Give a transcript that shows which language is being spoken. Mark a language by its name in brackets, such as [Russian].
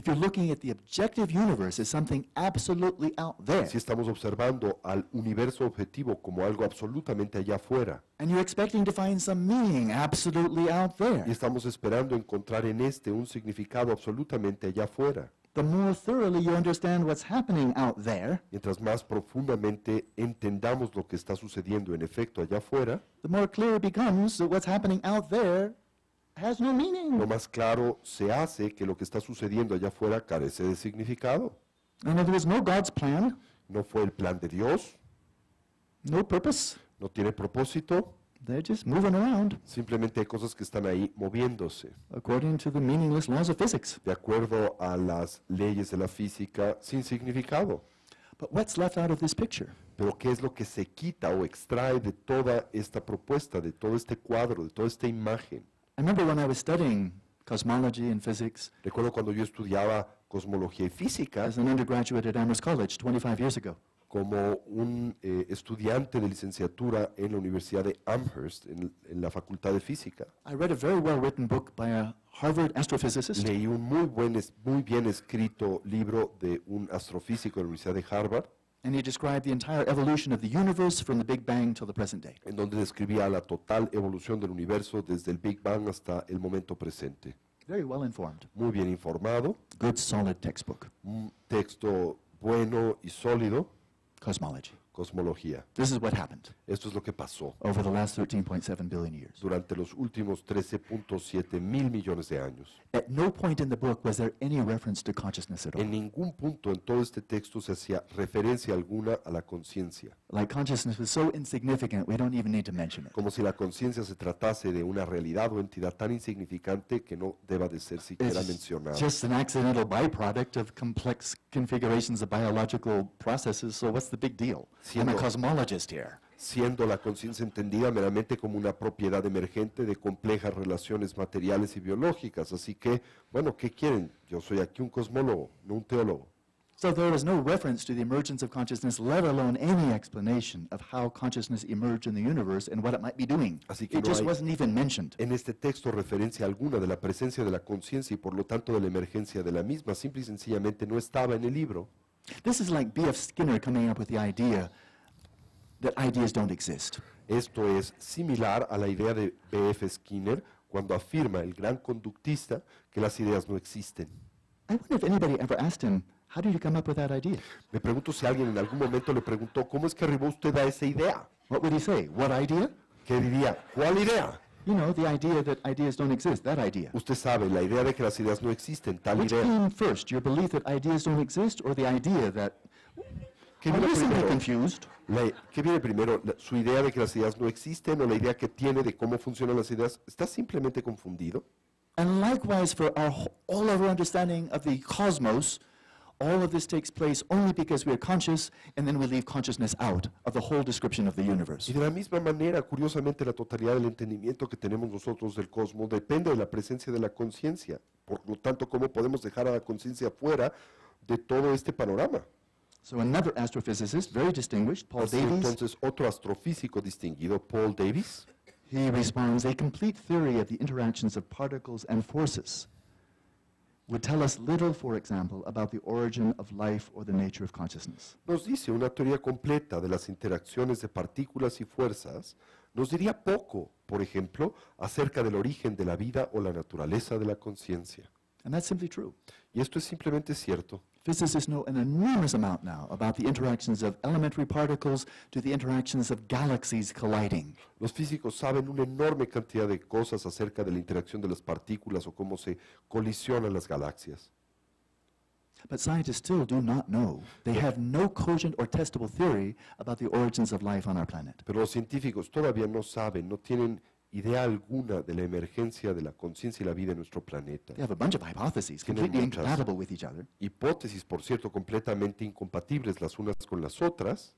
[English] If you're looking at the objective universe as something absolutely out there, [Spanish] si estamos observando al universo objetivo como algo absolutamente allá afuera, [English] and you're expecting to find some meaning absolutely out there, [Spanish] y estamos esperando encontrar en este un significado absolutamente allá afuera, [English] the more thoroughly you understand what's happening out there, [Spanish] mientras más profundamente entendamos lo que está sucediendo en efecto allá afuera, [English] the more clear it becomes that what's happening out there has no meaning. [Spanish] Lo más claro se hace que lo que está sucediendo allá afuera carece de significado. [English] And if there was no God's plan, [Spanish] no fue el plan de Dios, [English] no purpose, [Spanish] no tiene propósito, [English] they're just moving around. [Spanish] Simplemente hay cosas que están ahí moviéndose. [English] According to the meaningless laws of physics. [Spanish] De acuerdo a las leyes de la física sin significado. [English] But what's left out of this picture? [Spanish] Pero ¿qué es lo que se quita o extrae de toda esta propuesta, de todo este cuadro, de toda esta imagen? [English] I remember when I was studying cosmology and physics. [Spanish] Recuerdo cuando yo estudiaba cosmología y física. [English] As an undergraduate at Amherst College 25 years ago. [Spanish] Como un estudiante de licenciatura en la Universidad de Amherst, en la Facultad de Física. [English] I read a very well written book by a Harvard astrophysicist. [Spanish] Leí un muy bien escrito libro de un astrofísico de la Universidad de Harvard. [English] And he described the entire evolution of the universe from the Big Bang till the present day. [Spanish] En donde describía la total evolución del universo desde el Big Bang hasta el momento presente. [English] Very well informed. [Spanish] Muy bien informado. [English] Good solid textbook. [Spanish] Un texto bueno y sólido. [English] Cosmology. [Spanish] Cosmología. [English] This is what happened. [Spanish] Esto es lo que pasó. [English] Over the last 13.7 billion years. [Spanish] Durante los últimos 13.7 mil millones de años. [English] At no point in the book was there any reference to consciousness at all. [Spanish] En ningún punto en todo este texto se hacía referencia alguna a la conciencia. [English] Like consciousness was so insignificant, we don't even need to mention it. [Spanish] Como si la conciencia se tratase de una realidad o entidad tan insignificante que no deba de ser siquiera mencionada. [English] It's just an accidental byproduct of complex configurations of biological processes, so what's the big deal? I'm a cosmologist here. [Spanish] Siendo la conciencia entendida meramente como una propiedad emergente de complejas relaciones materiales y biológicas. Así que, bueno, ¿qué quieren? Yo soy aquí un cosmólogo, no un teólogo. [English] So there is no reference to the emergence of consciousness, let alone any explanation of how consciousness emerged in the universe and what it might be doing. [Spanish] Así que [English] it just wasn't even mentioned. [Spanish] En este texto referencia alguna de la presencia de la conciencia y por lo tanto de la emergencia de la misma, simple y sencillamente no estaba en el libro. [English] This is like B.F. Skinner coming up with the idea that ideas don't exist. [Spanish] Esto es similar a la idea de B.F. Skinner cuando afirma el gran conductista que las ideas no existen. [English] I wonder if anybody ever asked him, how did you come up with that idea? [Spanish] Me pregunto si alguien en algún momento le preguntó, ¿cómo es que arribó usted a esa idea? [English] What would he say? What idea? [Spanish] ¿Qué diría? ¿Cuál idea? [English] You know, the idea that ideas don't exist, that idea. [Spanish] Usted sabe, la idea de que las ideas no existen, tal [English] Which idea. Which came first, your belief that ideas don't exist or the idea that... [Spanish] ¿Qué viene primero? ¿Su idea de que las ideas no existen o la idea que tiene de cómo funcionan las ideas? ¿Está simplemente confundido? [English] And likewise for all of our understanding of the cosmos, all of this takes place only because we are conscious and then we leave consciousness out of the whole description of the universe. [Spanish] Y de la misma manera, curiosamente, la totalidad del entendimiento que tenemos nosotros del cosmos depende de la presencia de la conciencia. Por lo tanto, ¿cómo podemos dejar a la conciencia fuera de todo este panorama? [English] So another astrophysicist, very distinguished, Paul [Spanish] Así [English] Davies. [Spanish] Entonces, otro astrofísico distinguido, Paul Davies. [English] He responds, a complete theory of the interactions of particles and forces would tell us little, for example, about the origin of life or the nature of consciousness. [Spanish] Nos dice una teoría completa de las interacciones de partículas y fuerzas, nos diría poco, por ejemplo, acerca del origen de la vida o la naturaleza de la conciencia. [English] And that's simply true. [Spanish] Y esto es simplemente cierto. [English] Physicists know an enormous amount now about the interactions of elementary particles to the interactions of galaxies colliding. [Spanish] Los físicos saben una enorme cantidad de cosas acerca de la interacción de las partículas o cómo se colisionan las galaxias. [English] But scientists still do not know. They have no cogent or testable theory about the origins of life on our planet. [Spanish] Pero los científicos todavía no saben, no tienen idea alguna de la emergencia de la conciencia y la vida en nuestro planeta. [English] They have a bunch of hypotheses, completely incompatible with each other. [Spanish] Hipótesis, por cierto, completamente incompatibles las unas con las otras.